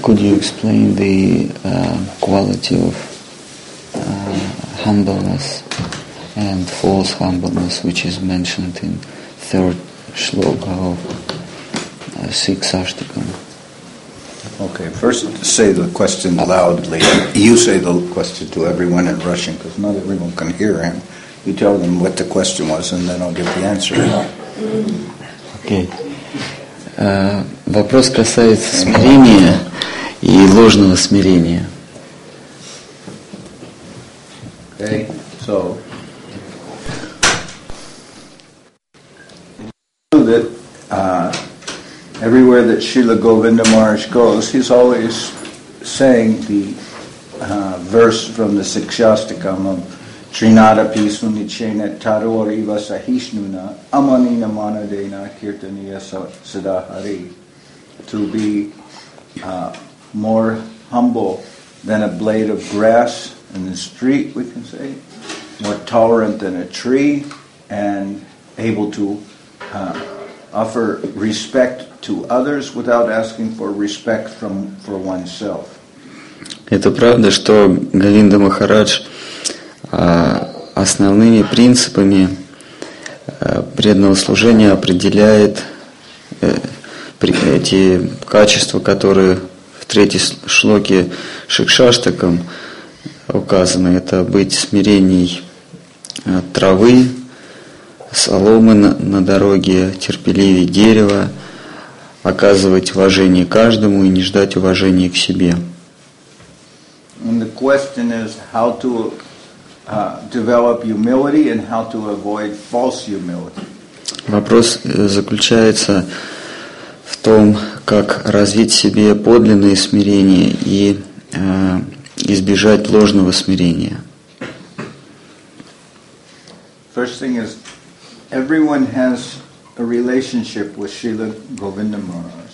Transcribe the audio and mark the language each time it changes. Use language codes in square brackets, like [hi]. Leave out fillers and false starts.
[en] Could you explain the quality of humbleness and false humbleness, which is mentioned in third shloka of Sikshashtakam? Okay, first say the question loudly. You say the question to everyone in Russian, because not everyone can hear him. You tell them what the question was, and then I'll give the answer. Okay. [ru] Вопрос касается смирения и ложного смирения. [en] Okay, so... Everywhere that Srila Govinda Maharaj goes, he's always saying the verse from the Sikshastakam of [sa] Trinadapi Sunichena Taruariva Sahishnuna Amanina Manadena Kirtaniya Sadahari, [en] to be more humble than a blade of grass in the street, we can say, more tolerant than a tree, and able to offer respect to others without asking for respect for oneself. [ru] Это правда, что Говинда Махарадж основными принципами преданного служения определяет эти качества, которые в третьей шлоке Шикшаштакам указаны. Это быть смирением травы, соломы на дороге, терпеливее дерева, оказывать уважение каждому и не ждать уважения к себе. [en] And the question is how to develop humility and how to avoid false humility. [ru] Вопрос заключается в том, как развить в себе подлинное смирение и избежать ложного смирения. [en] First thing is everyone has a relationship with Srila Govinda Maharaj.